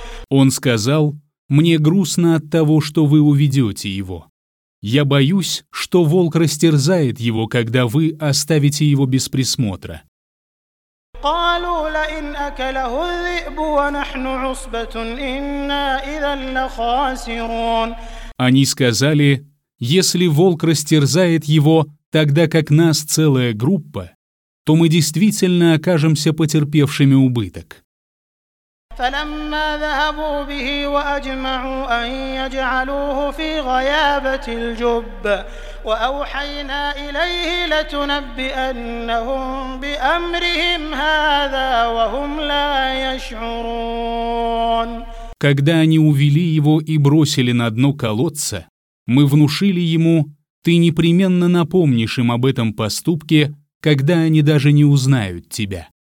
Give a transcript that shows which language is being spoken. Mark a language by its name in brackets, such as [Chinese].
[Russian] Он сказал: «Мне грустно от того, что вы уведете его. Я боюсь, что волк растерзает его, когда вы оставите его без присмотра». [Arabic] قالوا لئن أكله الذئب ونحن عصبة إنا إذا لخاسرون. [Russian] Они сказали: если волк растерзает его, тогда как нас целая группа, то мы действительно окажемся потерпевшими убыток. [Arabic] فلما ذهبوا به وأجمعوا أن يجعلوه في غيابة الجب وأوحينا إليه لتنبئنهم بأمرهم هذا وهم لا يشعرون. [Russian] Когда они увели его и бросили на дно колодца, мы внушили ему: ты непременно напомнишь им об этом поступке, когда они даже не узнают тебя.